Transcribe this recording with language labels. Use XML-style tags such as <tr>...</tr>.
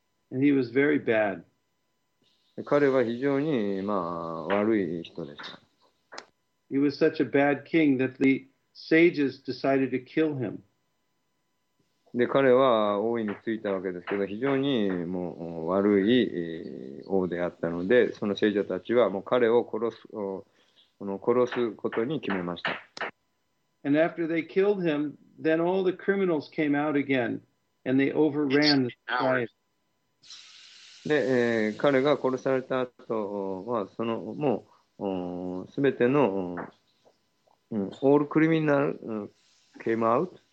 <en>And he was very bad.</en> <ja>彼は非常に、まあ、悪い人でした。</ja> <en>He was such a bad king that the sages decided to kill him.</en> <ja>で、彼は王位についたわけですけど、非常にもう悪い王であったので、その聖者たちはもう彼を殺すことに決めました。</ja> <en>And after they killed him, then all the criminals came out again, and they overran the society.</en> <ja>で、彼が殺された後は、そのもう、すべての、オールクリミナル、</ja> <en>came out?</en>